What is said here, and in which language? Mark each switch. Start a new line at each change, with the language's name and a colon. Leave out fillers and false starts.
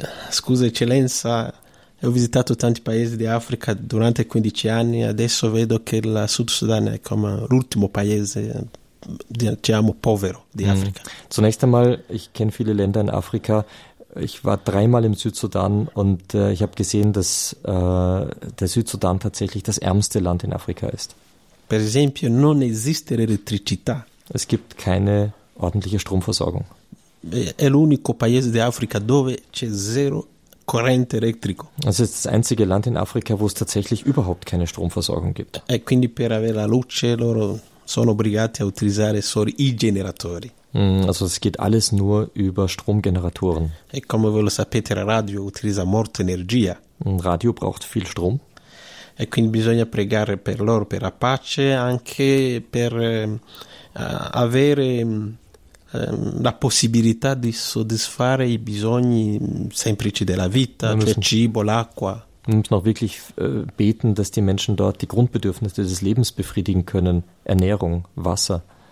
Italian: Scusa eccellenza, ho visitato tanti paesi di Africa durante 15 anni, adesso vedo che la Sud Sudan è come l'ultimo paese, diciamo, povero di Africa.
German: Zunächst einmal, ich kenne viele Länder in Afrika. Ich war 3 im Südsudan und ich habe gesehen, dass der Südsudan tatsächlich das ärmste Land in Afrika ist.
Italian: Per esempio, non esiste l'elettricità.
German: Es gibt keine ordentliche Stromversorgung.
Italian: È l'unico paese di Africa dove c'è zero corrente elettrico.
German: Also es ist das einzige Land in Afrika, wo es tatsächlich überhaupt keine Stromversorgung gibt.
Italian: E quindi per avere la luce loro sono obbligati a utilizzare solo i generatori.
German: Also es geht alles nur über Stromgeneratoren.
Italian: E come voi lo sapete, la radio utilizza molta energia.
German: Ein Radio braucht viel Strom.
Italian: E quindi bisogna pregare per loro per la pace anche per avere la possibilità di soddisfare i bisogni semplici della vita, cioè cibo, l'acqua.
German: Wir müssen auch wirklich beten, dass die Menschen dort die Grundbedürfnisse des Lebens befriedigen können, Ernährung, Wasser.